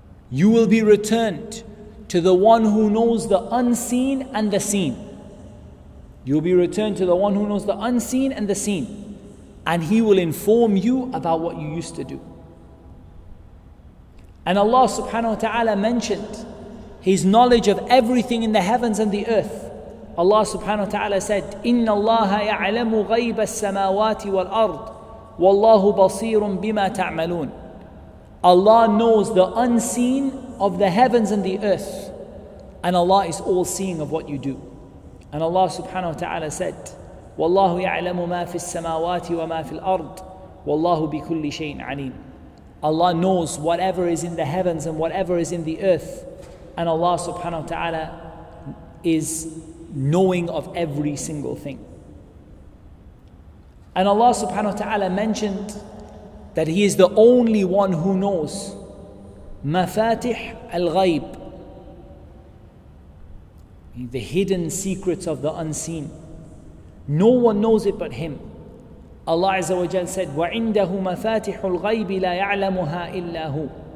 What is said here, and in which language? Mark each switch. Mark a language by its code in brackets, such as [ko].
[en] You will be returned to the one who knows the unseen and the seen. You'll be returned to the one who knows the unseen and the seen. And he will inform you about what you used to do. And Allah subhanahu wa ta'ala mentioned his knowledge of everything in the heavens and the earth. Allah subhanahu wa ta'ala said, [ar] إِنَّ اللَّهَ يَعْلَمُ غَيْبَ السَّمَاوَاتِ وَالْأَرْضِ وَاللَّهُ بَصِيرٌ بِمَا تَعْمَلُونَ. [en] Allah knows the unseen of the heavens and the earth. And Allah is all seeing of what you do. And Allah subhanahu wa ta'ala said, [ar] وَاللَّهُ يَعْلَمُ مَا فِي السَّمَاوَاتِ وَمَا فِي الْأَرْضِ وَاللَّهُ بِكُلِّ شَيْءٍ عَلِيمٍ. [en] Allah knows whatever is in the heavens and whatever is in the earth. And Allah subhanahu wa ta'ala is knowing of every single thing. And Allah subhanahu wa ta'ala mentioned that He is the only one who knows [ar] مفاتح الغيب, [en] the hidden secrets of the unseen. No one knows it but Him. Allah Azza wa Jal said, [ar] وَعِنْدَهُ مَفَاتِحُ الْغَيْبِ لَا يَعْلَمُهَا إِلَّا هُ.